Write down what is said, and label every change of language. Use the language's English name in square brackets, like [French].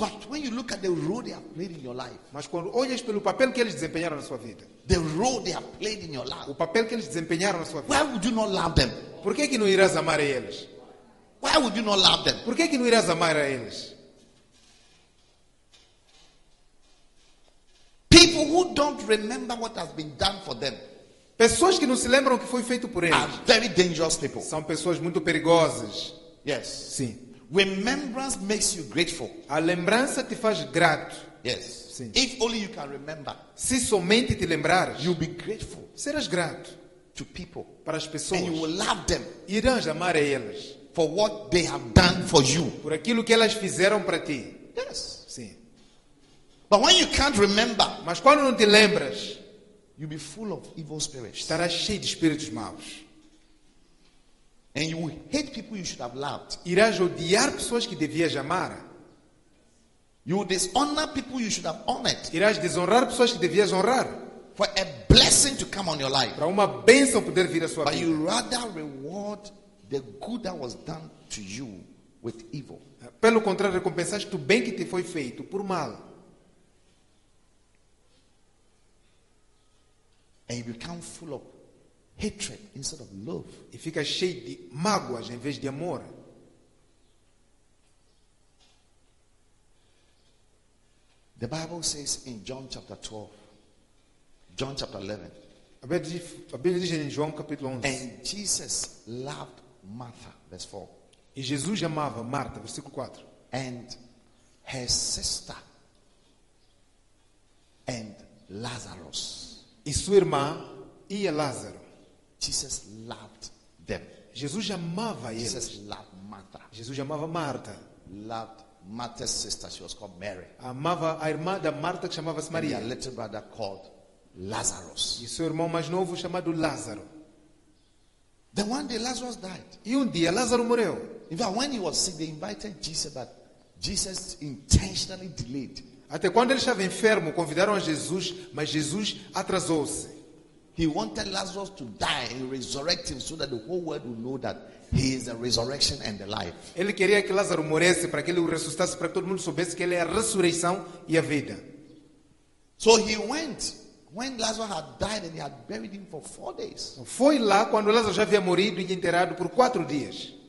[English] But when you look at the role they have played in your life. [Portuguese] Mas quando olhas pelo papel que eles desempenharam na sua vida. [English] The role they have played in your life. [Portuguese] O papel que eles desempenharam na sua vida. [English] Why would you not love them? [Portuguese] Por que não irás amar a eles? [English] Why would you not love them? [Portuguese] Por que não irás amar a eles? [English] People who don't remember what has been done for them. [Portuguese] Pessoas que não se lembram o que foi feito por eles. [English] Are very dangerous people. [Portuguese] São pessoas muito perigosas. [English] Yes. [Portuguese] Sim. [English] Remembrance makes you grateful. [Portuguese] A lembrança te faz grato. [English] Yes. [Portuguese] Sim. [English] If only you can remember. [Portuguese] Se somente te lembrares, [English] you'll be grateful. [Portuguese] Serás grato. [English] To people, [Portuguese] para as pessoas, [English] and you will love them. [Portuguese] Irás amar a eles, [English] for what they have done for you. [Portuguese] Por aquilo que elas fizeram para ti. [English] Yes. [Portuguese] Sim. [English] But when you can't remember, [Portuguese] mas quando não te lembras, [English] you'll be full of evil spirits. [Portuguese] Estarás cheio de espíritos maus. [English] And you will hate people you should have loved. [Portuguese] Irás odiar pessoas que devias amar. [English] You will dishonor people you should have honored. [Portuguese] Irás desonrar pessoas que devias honrar. [English] For a blessing to come on your life. [Portuguese] Para uma bênção poder vir à sua [English] but [Portuguese] vida. [English] But you rather reward the good that was done to you with evil. [Portuguese] Pelo contrário, recompensaste o bem que te foi feito por mal. [English] And you become full of hatred instead of love. [Portuguese] E fica cheio de mágoas em vez de amor. [English] The Bible says in John chapter 12. John chapter 11. [Portuguese] A Bíblia diz em João capítulo 11. [English] And Jesus loved Martha, verse 4. [Portuguese] E Jesus amava Marta, versículo 4. [English] And her sister and Lazarus. [Portuguese] E sua irmã e Lázaro. [English] Jesus loved them. [Portuguese] Jesus amava eles. [English] Jesus loved Martha. [Portuguese] Jesus amava Marta. [English] Loved Martha's sister, she was called Mary. [Portuguese] Amava a irmã da Marta que chamava-se Maria. [English] And their little brother called Lazarus. [Portuguese] E seu irmão mais novo chamado Lázaro. [English] The one day Lazarus died. [Portuguese] E dia Lázaro morreu. [English] In fact, when he was sick, they invited Jesus, but Jesus intentionally delayed. [Portuguese] Até quando ele estava enfermo, convidaram a Jesus, mas Jesus atrasou-se. [English] He wanted Lazarus to die and resurrect him so that the whole world would know that he is the resurrection and the life. [Portuguese] Ele queria que Lázaro morresse para que ele o ressuscitasse, para que todo mundo soubesse que ele é a ressurreição e a vida. [English] So he went when Lazarus had died and he had buried him for 4 days. [Portuguese] Foi lá quando Lázaro já havia morrido e enterrado por 4 dias.